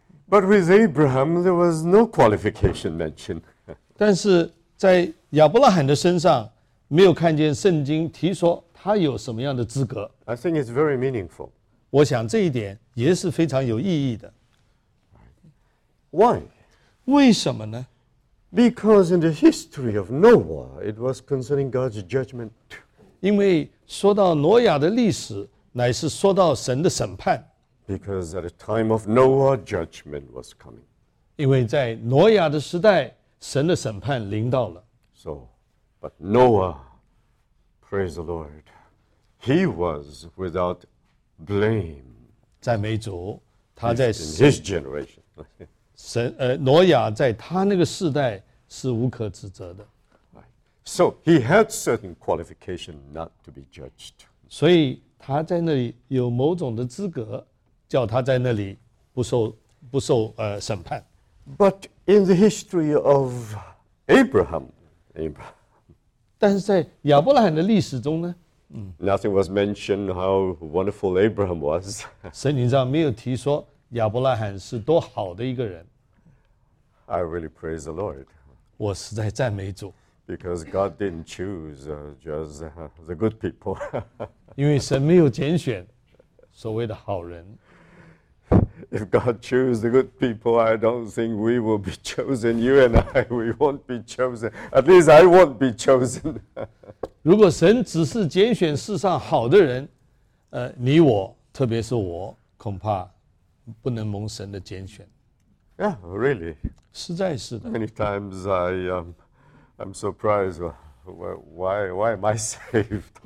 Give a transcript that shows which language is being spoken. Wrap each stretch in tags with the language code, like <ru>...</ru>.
<en>But with Abraham, there was no qualification mentioned.</en> <zh>但是在亚伯拉罕的身上，没有看见圣经提说他有什么样的资格。</zh> <en>I think it's very meaningful.</en> <zh>我想这一点也是非常有意义的。</zh> <en>Why?</en> <zh>为什么呢？</zh> <en>Because in the history of Noah, it was concerning God's judgment.</en> <zh>因为说到挪亚的历史，乃是说到神的审判。</zh> <en>Because at the time of Noah, judgment was coming.</en> <zh>因为在挪亚的时代，神的审判临到了。</zh> <en>So, but Noah, praise the Lord, he was without blame.</en> <zh>赞美主，他在</zh> <en>his generation.</en> <zh>神挪亚在他那个世代是无可指责的。</zh> <en>So he had certain qualification not to be judged.</en> <zh>所以他在那里有某种的资格。叫他在那里不受审判。</zh> <en>But in the history of Abraham,</en> <zh>但是在亚伯拉罕的历史中呢？</zh> <en>Nothing was mentioned how wonderful Abraham was.</en> <zh>圣经上没有提说亚伯拉罕是多好的一个人。</zh> <en>I really praise the Lord.</en> <zh>我实在赞美主。</zh> <en>Because God didn't choose just the good people.</en> <zh>因为神没有拣选所谓的好人。</zh> <en>If God chooses the good people, I don't think we will be chosen. You and I, we won't be chosen. At least I won't be chosen.</en> <zh>如果神只是拣选世上好的人，你我，特别是我，恐怕不能蒙神的拣选。</zh> <en>Yeah, really.</en> <zh>实在是的。</zh> <en>Many times I'm surprised. Why am I saved?</en>